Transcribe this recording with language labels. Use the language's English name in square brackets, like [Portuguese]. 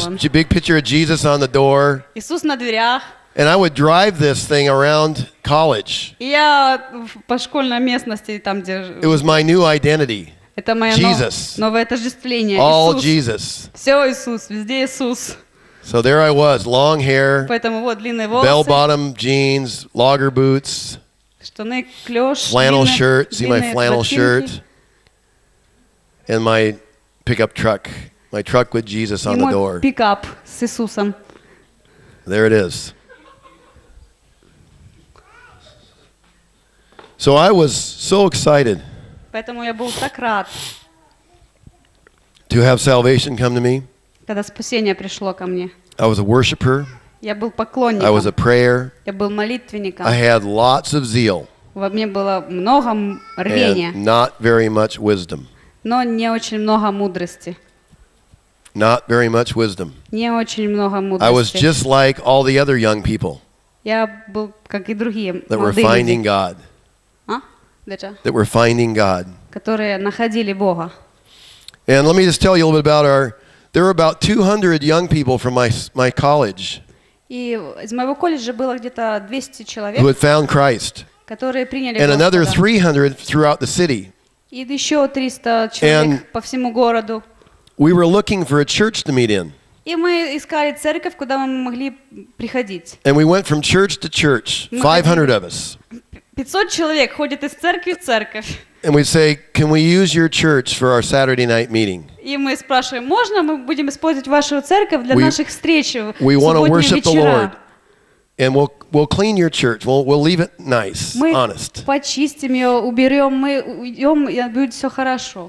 [English] There's a big picture of Jesus on the door. [Russian] Иисус на дверях. [English] And I would drive this thing around college. [Russian] Я по школьной местности там держу. [English] It was my new identity. [Russian] Это моя [English] Jesus. [Russian] Новое отождествление. [English] All [Russian] Иисус. [English] Jesus. [Russian] Все Иисус, везде Иисус. [English] So there I was, long hair, [Russian] поэтому, вот, длинные волосы, [English] bell-bottom jeans, logger boots, [Russian] штаны, клёш, [English] flannel [Russian] длинные, [English] shirt, see my flannel [Russian] ботинки. [English] Shirt, and my pickup truck, my truck with Jesus on [Russian] и [English] the door. [Russian] Pickup с Иисусом. [English] There it is. So I was so excited [Russian] поэтому я был так рад. [English] To have salvation come to me. [Russian] Когда спасение пришло ко мне. [English] I was a worshiper. [Russian] Я был поклонником. [English] I was a prayer. [Russian] Я был молитвенником. [English] I had lots of zeal. [Russian] Во мне было много рвения. [English] And not very much wisdom. [Russian] Но не очень много мудрости. [English] Not very much wisdom. [Russian] Не очень много мудрости. [English] I was just like all the other young people. [Russian] Я был как и другие молодые. [English] That were finding [Russian] люди. [English] God. [Russian] А? Да-да. [English] That were finding God. [Russian] Которые находили Бога. [English] And let me just tell you a little bit about our There were about 200 young people from my college. [Russian] И из моего колледжа было где-то 200 человек. [English] Who had found Christ. [Russian] Которые приняли [English] Господа. And another 300 throughout the city. [Russian] И еще 300 человек по всему городу. [English] We were looking for a church to meet in. [Russian] И мы искали церковь, куда мы могли приходить. [English] And we went from church to church. 500 of us. [Russian] 500 человек ходят из церкви в церковь. [English] And we say, "Can we use your church for our Saturday night meeting?" [Russian] И мы спрашиваем, можно мы будем использовать вашу церковь для наших встреч в субботние вечера? We [English] want to worship the Lord, and we'll clean your church. We'll leave it nice, honest. [Russian] Мы почистим ее, уберем, мы уйдем, и будет все хорошо.